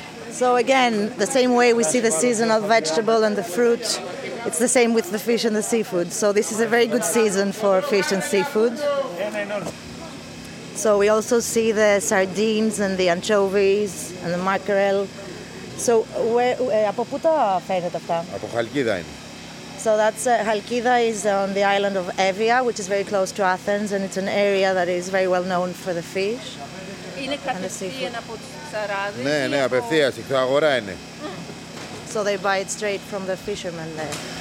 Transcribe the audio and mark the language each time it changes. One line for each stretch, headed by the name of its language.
English: So again, the same way we see the seasonal vegetable and the fruit, it's the same with the fish and the seafood. So this is a very good season for fish and seafood. So we also see the sardines and the anchovies and the mackerel. So where
Greek: από πού τα φέρετε αυτά? Από Χαλκίδα είναι.
English: So that's Χαλκίδα is on the island of Evia, which is very close to Athens, and it's an area that is very well known for the fish.
Greek: Είναι κατευθείαν από τους ψαράδες. Ναι, ναι, απευθείας, εκτός αγορά είναι.
English: So they buy it straight from the fishermen there.